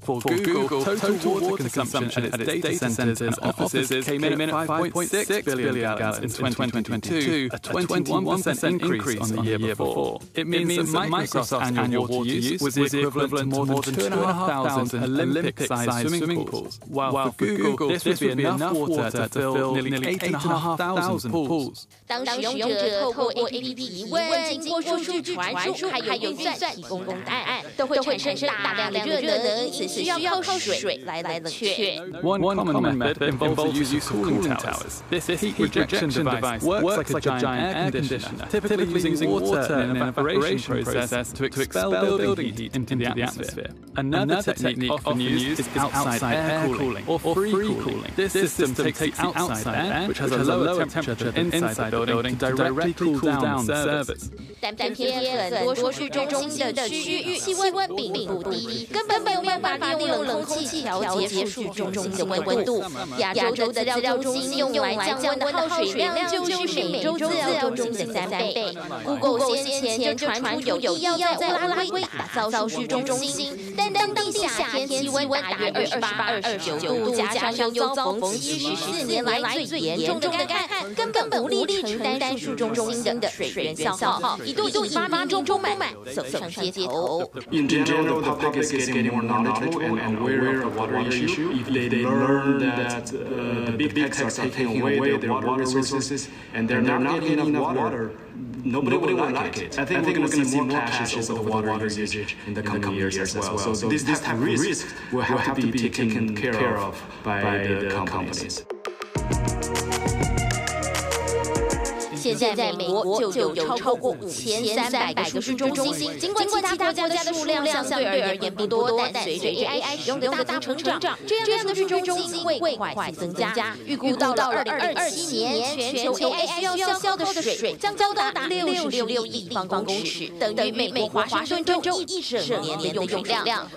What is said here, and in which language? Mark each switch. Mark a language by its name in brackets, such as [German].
[English] For Google, total water consumption at its data centers and offices came in at 5.6 billion gallons in 2022, a 21% increase on the year before. It means that Microsoft's annual water use was equivalent to more than 2,500 Olympic-sized swimming pools, while for Google, this would be enough water to fill nearly 8,500 pools. [Chinese] 当使用者透过 APP 疑问、经过数据传输还有运算提供公答案，都会产生大量的热能，因此需要靠水来冷却。 [English] One common method involves the use of cooling towers. This heat rejection device works like a giant air conditioner, typically using water in an evaporation process to expel building heat into the atmosphere. Another technique often used is outside air cooling or free cooling. This system takes the outside air, which has a lower temperature than inside the building, to directly cool down the servers. [Chinese] 但偏偏很多数据中心的区域气温并不低，根本没有办法利用冷空气调节数据中心的温度。亚洲的资料中心用来降温的耗水量就是美洲资料中心的三倍。 Google 先前就传出有意要在乌拉圭打造数据中心，但当地夏天气温大约28-29度，加上又遭逢14年来最严重的干旱，根本无力承担数据中心的水源消耗，一度引发民众不满，走上街头。 [English] In general, the public is getting more knowledgeable and aware of water issue. They learn that the big techs are taking away their water resources and they're not getting enough water. Nobody will like it. I think we're going to see more clashes over the water usage in the coming years as well. So this type of risk will have to be taken care of by the companies. [Chinese] 现在美国就有超过5300个数据中心，尽管其他国家的数量相对而言不多，但随着 AI 使用的大幅成长，这样的数据中心会快速增加。预估到了2027年，全球 AI 需要消耗的水将高达66亿立方公尺，等于美国华盛顿州一整年的用水量。